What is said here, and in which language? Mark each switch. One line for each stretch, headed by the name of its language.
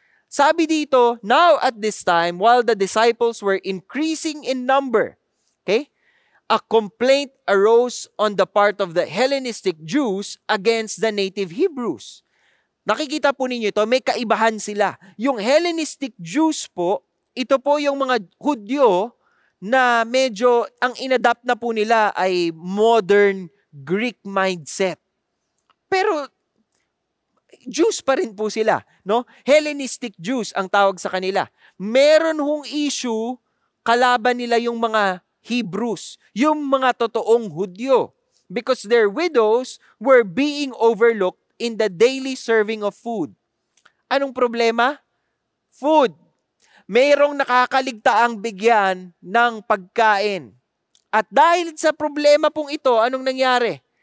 Filipino: Sabi dito,
English: now at this time, while the disciples were increasing in number, okay, a complaint arose on the part of the Hellenistic Jews against the native Hebrews.
Filipino: Nakikita po ninyo ito, may kaibahan sila. Yung Hellenistic Jews po, ito po yung mga Hudyo na medyo ang inadapt na po nila ay modern Greek mindset. Pero Jews pa rin po sila, no? Hellenistic Jews ang tawag sa kanila. Meron hong issue, kalaban nila yung mga Hebrews, yung mga totoong Hudyo,
English: because their widows were being overlooked in the daily serving of food.
Filipino: Anong problema? Food. Merong nakakaligtaang bigyan ng pagkain. At dahil sa problema pong ito, anong nangyari?